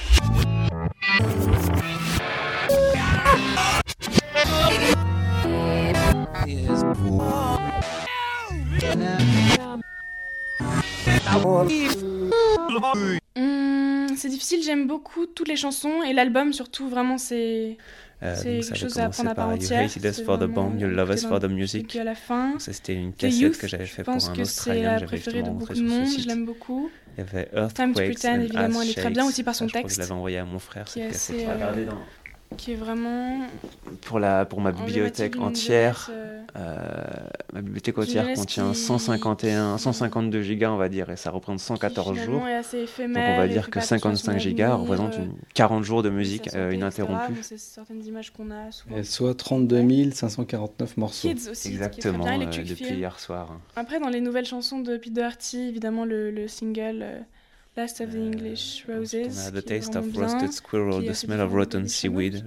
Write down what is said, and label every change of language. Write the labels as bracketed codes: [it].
[en] Is poor. [fr] C'est difficile, j'aime beaucoup toutes les chansons et l'album surtout, vraiment c'est quelque chose à prendre à part entière. [en] You hated us for the bomb, you love us for the music. [fr] Et puis à la fin, c'était une cassette que j'avais fait pour un Australien, j'avais justement montré sur ce site. Beaucoup de monde, je l'aime beaucoup. Il y avait Earthquakes [en] and Earthshakes. [fr] Time to Pretend, évidemment, elle est très bien aussi par son texte. Je l'avais envoyé à mon frère, cette cassette. Qui est vraiment... Pour ma bibliothèque entière, ma bibliothèque entière contient 152 gigas, on va dire, et ça représente 114 jours. Est assez éphémère, donc on va dire que 55 gigas représente 40 jours de musique ininterrompue. Bon, c'est certaines images qu'on a souvent. Et soit 32 549 morceaux. Kids aussi, exactement, depuis hier soir. Après, dans les nouvelles chansons de Pete Doherty, évidemment, le single... [en] Last of the English Roses. [fr] On a [en] The Taste of Roasted Squirrel, The Smell of Rotten Seaweed.